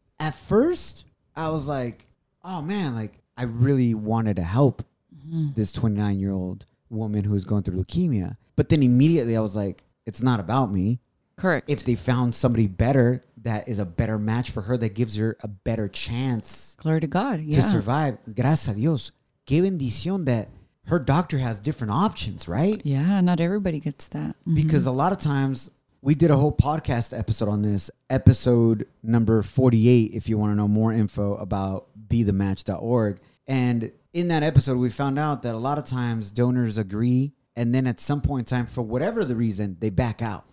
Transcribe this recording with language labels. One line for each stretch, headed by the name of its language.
English: At first, I was like, oh man, like I really wanted to help this 29-year-old woman who is going through leukemia. But then immediately I was like, it's not about me. Correct. If they found somebody better, that is a better match for her, that gives her a better chance. Glory to God. To survive.
Spanish: Gracias a Dios. Qué bendición that
English: her doctor has different options, right? Yeah, not everybody gets that. Mm-hmm. Because a lot of times, we did a whole podcast episode on this, episode number 48, if you want to know more info about BeTheMatch.org. And in that episode, we found out that a lot of times donors agree, and then at some point in time, for whatever the reason, they back out.